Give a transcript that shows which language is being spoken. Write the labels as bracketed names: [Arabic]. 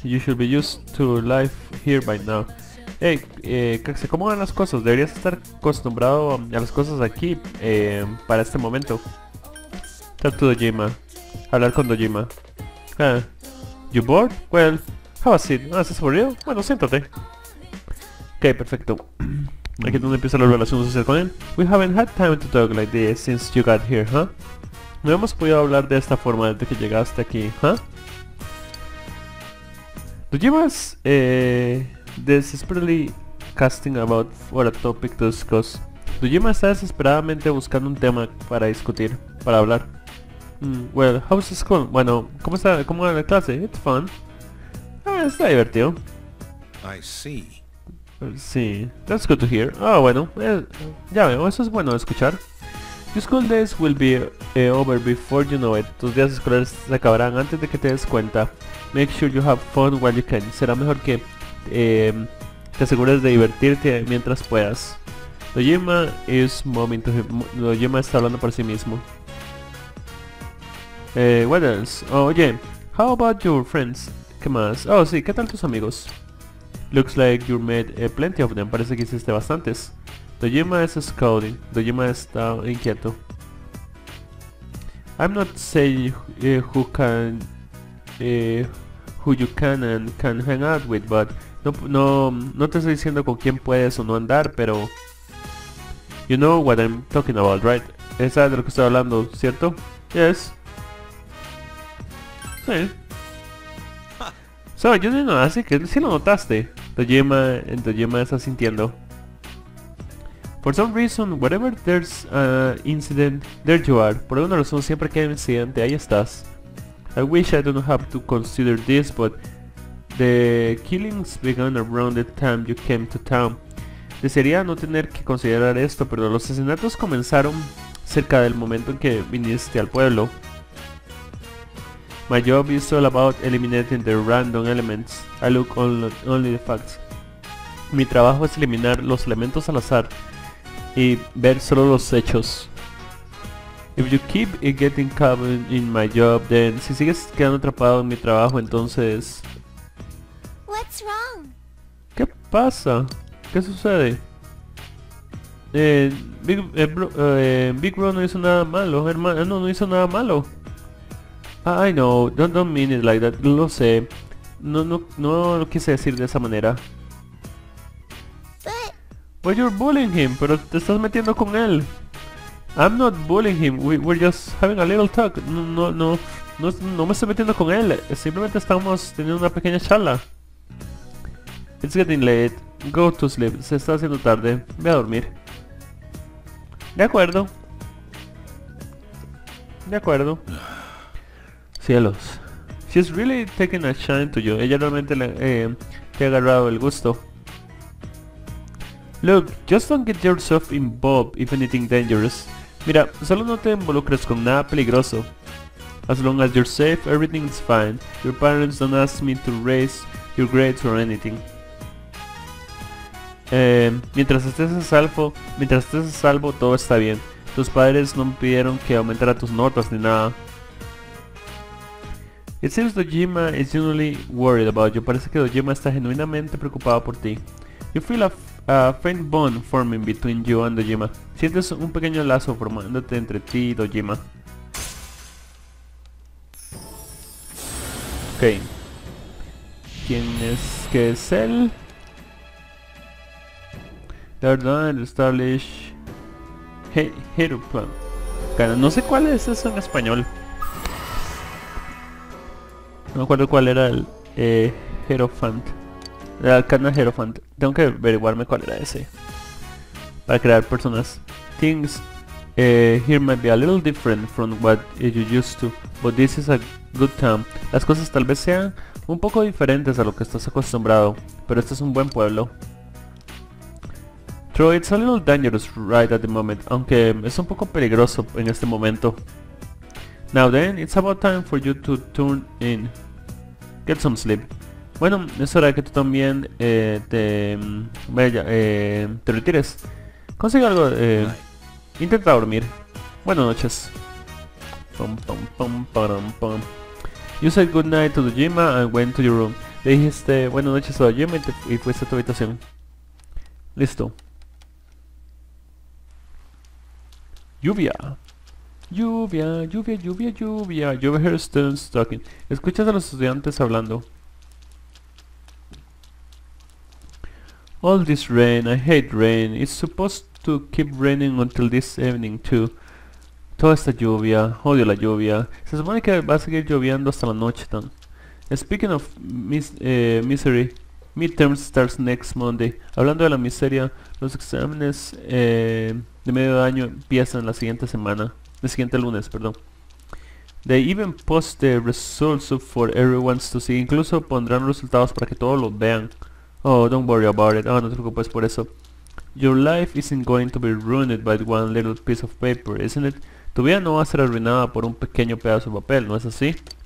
[English] You should be used to life here by now. [Spanish] Hey, Caxia, ¿cómo van las cosas? Deberías estar acostumbrado a las cosas aquí para este momento. Trato Dojima. Hablar con Dojima. [English] You bored? Well, how is it? [Spanish] ¿No estás aburrido? Bueno, siéntate. Ok, perfecto. Aquí es donde empieza la relación social con él. [English] We haven't had time to talk like this since you got here, huh? [Spanish] No hemos podido hablar de esta forma desde que llegaste aquí, huh? [English] Dojima's desperately casting about for a topic to discuss. [Spanish] Dojima está desesperadamente buscando un tema para discutir, para hablar. [English] Well, how's the school? [Spanish] Bueno, ¿cómo está? ¿Cómo va la clase? [English] It's fun. [Spanish] Ah, está divertido. [English] I see. [Spanish] Sí, [English] that's good to hear. [Spanish] Ah, bueno, ya veo, eso es bueno escuchar. [English] Your school days will be over before you know it. [Spanish] Tus días escolares se acabarán antes de que te des cuenta. [English] Make sure you have fun while you can. [Spanish] Será mejor que te asegures de divertirte mientras puedas. [English] Dojima is moment. [Spanish] Dojima está hablando por sí mismo. [English] What else? Oh, oye, how about your friends? [Spanish] ¿Qué más? Oh, sí, ¿qué tal tus amigos? [English] Looks like you made plenty of them. [Spanish] Parece que hiciste bastantes. [English] Dojima is scouting. [Spanish] Dojima está inquieto. [English] I'm not saying who you can and can hang out with, but [Spanish] no te estoy diciendo con quién puedes o no andar, pero [English] you know what I'm talking about, right? [Spanish] Esa es de lo que estoy hablando, ¿cierto? [English] Yes. [Spanish] Sí. [English] So, [Spanish] yo no, así que sí lo notaste. Dojima está sintiendo. [English] For some reason, whatever there's an incident, there you are. [Spanish] Por alguna razón, siempre que hay un incidente, ahí estás. [English] I wish I don't have to consider this, but the killings began around the time you came to town. [Spanish] Desearía no tener que considerar esto, pero los asesinatos comenzaron cerca del momento en que viniste al pueblo. [English] My job is all about eliminating the random elements. I look only the facts. [Spanish] Mi trabajo es eliminar los elementos al azar y ver solo los hechos. [English] If you keep getting caught in my job, then [Spanish] si sigues quedando atrapado en mi trabajo, entonces. [English] What's wrong? [Spanish] ¿Qué pasa? ¿Qué sucede? Big Bro no hizo nada malo, hermano. No hizo nada malo. [English] I know, don't mean it like that, [Spanish] lo sé. No quise decir de esa manera. [English] But you're bullying him, [Spanish] pero te estás metiendo con él. [English] I'm not bullying him, we're just having a little talk. [Spanish] No me estoy metiendo con él, simplemente estamos teniendo una pequeña charla. [English] It's getting late, go to sleep, [Spanish] se está haciendo tarde, ve a dormir. De acuerdo. Cielos. [English] She's really taking a shine to you. [Spanish] Ella realmente te ha agarrado el gusto. [English] Look, just don't get yourself involved if anything dangerous. [Spanish] Mira, solo no te involucres con nada peligroso. [English] As long as you're safe, everything's fine. Your parents don't ask me to raise your grades or anything. [Spanish] Mientras estés a salvo, todo está bien. Tus padres no me pidieron que aumentara tus notas ni nada. [English] It seems Dojima is genuinely worried about you. [Spanish] Parece que Dojima está genuinamente preocupado por ti. [English] You feel a faint bond forming between you and Dojima. [Spanish] Sientes un pequeño lazo formándote entre ti y Dojima. Ok. ¿Qué es él? [English] They're done and established hero plan. [Spanish] No sé cuál es eso en español. No me acuerdo cuál era el Hierophant. El Arcana Hierophant. Tengo que averiguarme cuál era ese. Para crear personas. [English] Things here might be a little different from what you used to. But this is a good town. [Spanish] Las cosas tal vez sean un poco diferentes a lo que estás acostumbrado. Pero este es un buen pueblo. [English] True, it's a little dangerous right at the moment. [Spanish] Aunque es un poco peligroso en este momento. [English] Now then, it's about time for you to turn in. Get some sleep. [Spanish] Bueno, es hora de que tú también te retires. Consigue algo. Intenta dormir. Buenas noches. Pum, pum, pum, pum, pum. [English] You said good night to the gym and went to your room. [Spanish] Le dijiste buenas noches a Jim y fuiste a tu habitación. Listo. Lluvia. Lluvia, lluvia, lluvia, lluvia. [English] You hear students talking. [Spanish] Escuchas a los estudiantes hablando. [English] All this rain, I hate rain. It's supposed to keep raining until this evening too. [Spanish] Toda esta lluvia, odio la lluvia. Se supone que va a seguir lloviendo hasta la noche, Tom. [English] Speaking of misery, midterms starts next Monday. [Spanish] Hablando de la miseria, los exámenes de medio año empiezan la siguiente semana. El siguiente lunes, perdón. [English] They even post the results up for everyone to see. [Spanish] Incluso pondrán resultados para que todos los vean. [English] Oh, don't worry about it. [Spanish] Oh, no te preocupes por eso. [English] Your life isn't going to be ruined by one little piece of paper, isn't it? [Spanish] Tu vida no va a ser arruinada por un pequeño pedazo de papel, ¿no es así?